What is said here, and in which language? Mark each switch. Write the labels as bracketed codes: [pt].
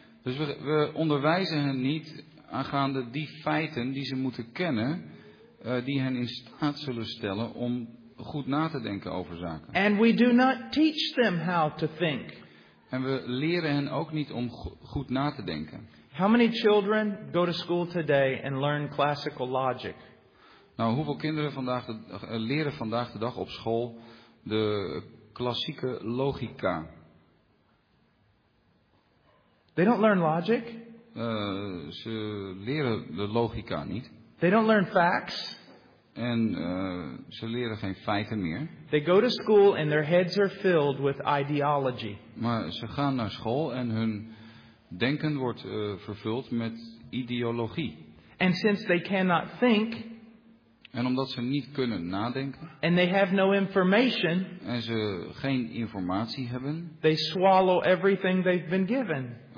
[nl] Dus we onderwijzen hen niet aangaande die feiten die ze moeten kennen, die hen in staat zullen stellen om goed na te denken over zaken. [en] And we do not teach them how to think. [nl] En we leren hen ook niet om goed na te denken. [en] How many children go to school today and learn classical logic? [nl] Nou, hoeveel kinderen leren vandaag de dag op school de klassieke logica? [en] They don't learn logic. [nl] Ze leren de logica niet. [en] They don't learn facts. [nl] En ze leren geen feiten meer. [en] They go to school and their heads are filled with ideology. [nl] Maar ze gaan naar school en hun denken wordt vervuld met ideologie. [en] And since they cannot think. [nl] En omdat ze niet kunnen nadenken. [en] And they have no information. [nl] En ze geen informatie hebben. [en] They swallow everything they've been given.